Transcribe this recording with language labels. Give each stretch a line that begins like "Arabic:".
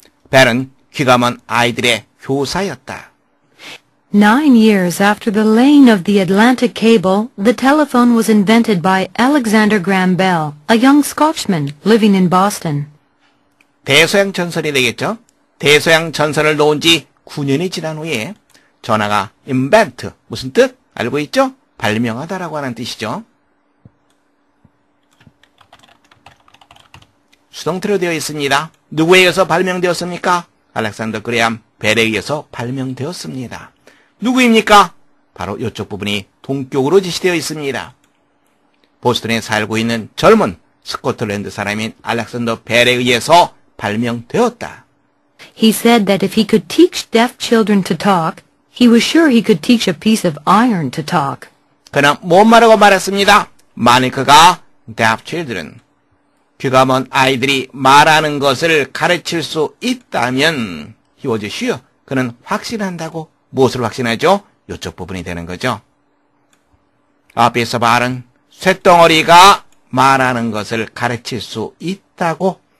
Korean: Bell은 귀가 먼 아이들의 교사였다.
English: 9 years after the laying of the Atlantic cable, the telephone was invented by Alexander Graham Bell, a young Scotchman living in Boston.
Korean: 대서양 전선이 되겠죠? 대서양 전선을 놓은 지 9년이 지난 후에 전화가 invent, 무슨 뜻? 알고 있죠? 발명하다라고 하는 뜻이죠. 수동태로 되어 있습니다. 누구에 의해서 발명되었습니까? 알렉산더 그레이엄 벨에 의해서 발명되었습니다. 누구입니까? 바로 이쪽 부분이 동격으로 지시되어 있습니다. 보스턴에 살고 있는 젊은 스코틀랜드 사람인 알렉산더 벨에 의해서 발명되었다.
English: He said that if he could teach deaf children to talk, he was sure he could teach a piece of iron to talk.
Korean: 그는 못 말하고 말했습니다. 만일 그가
English: deaf children,
Korean: 귀가 먼 아이들이 말하는 것을 가르칠 수 있다면,
English: he was sure,
Korean: 그는 확신한다고, 무엇을 확신하죠? 요쪽 부분이 되는 거죠. 앞에서 말은 쇳덩어리가 말하는 것을 가르칠 수 있다고.